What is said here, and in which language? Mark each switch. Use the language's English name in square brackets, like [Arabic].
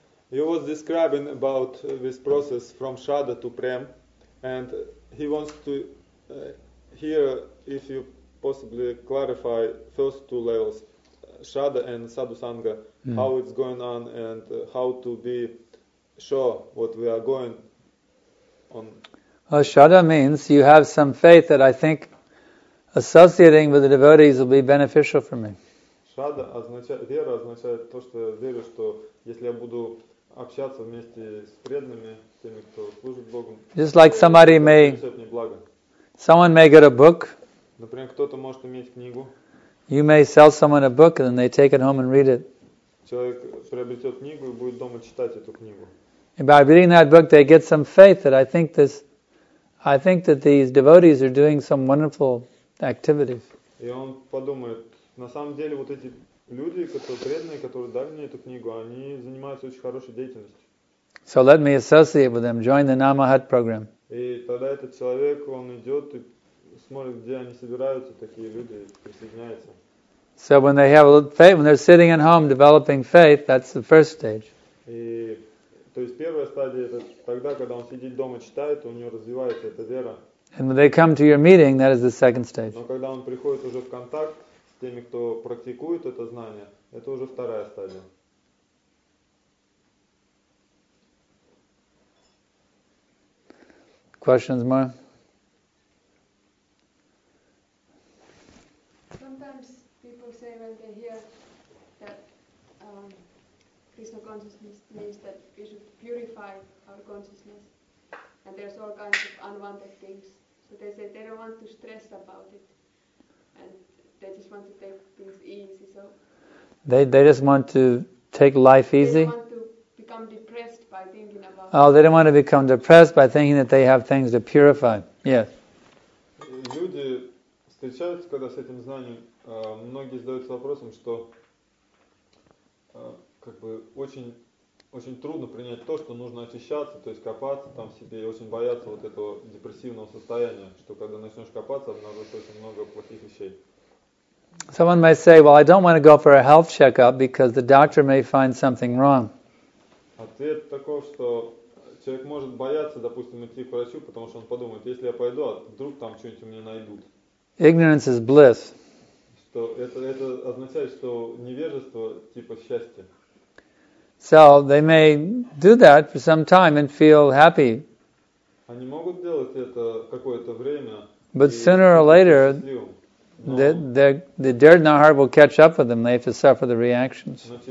[English] He was describing about this process from Shraddha to Prem, and he wants to hear if you possibly clarify first two levels, Shraddha and Sadhu Sangha, how it's going on and how to be sure what we are going on. Well, Shraddha means you have some faith that I think associating with the devotees will be beneficial for me. [Russian] Shraddha означает, вера означает то, что я верю, что если я буду общаться вместе с преданными, теми, кто служит Богу. [English] Just like somebody may, someone may get a book. [Russian] Например, кто-то может иметь книгу. [English] You may sell someone a book and they take it home and read it. [Russian] Человек приобретет книгу и будет дома читать эту книгу. [English] And by reading that book, they get some faith that I think that these devotees are doing some wonderful activities. [Russian] И он подумает, на самом деле вот эти люди, которые преданные, которые дали мне эту книгу, они занимаются очень хорошей деятельностью. [English] So let me associate with them, join the Namahat program. [Russian] И тогда этот человек, он идет и смотрит, где они собираются, такие люди присоединяются. [English] So when they have a little faith, when they're sitting at home developing faith, that's the first stage. [Russian] И то есть первая стадия это тогда, когда он сидит дома читает, у него развивается эта вера. [English] And when they come to your meeting, that is the second stage. [Russian] Но когда он приходит уже в контакт теми, кто практикует это знание, это уже вторая стадия. [English] Questions more? Sometimes people say when they hear that Krishna consciousness means that we should purify our consciousness and there's all kinds of unwanted things. So they say they don't want to stress about it. And they just want to take things easy, so they just want to take life easy. They don't want to become depressed by thinking about. Oh, they don't want to become depressed by thinking that they have things to purify. Yes. [Russian] Люди встречаются, когда с этим знанием, многие задаются вопросом, что как бы очень трудно принять то, что нужно очищаться, то есть копаться там в себе, и очень бояться вот этого депрессивного состояния, что когда начнешь копаться, обнаружишь очень много плохих вещей. [English] Someone may say, well, I don't want to go for a health checkup because the doctor may find something wrong. [Russian] Ответ такой, что человек может бояться, допустим, идти к врачу, потому что он подумает, если я пойду, а вдруг там что-нибудь у меня найдут. [English] Ignorance is bliss. [Russian] Что это означает, что невежество типа счастья. [English] So they may do that for some time and feel happy. [Russian] Они могут делать это какое-то время. [English] But sooner or later, the dirt in their heart will catch up with them. They have to suffer the reactions.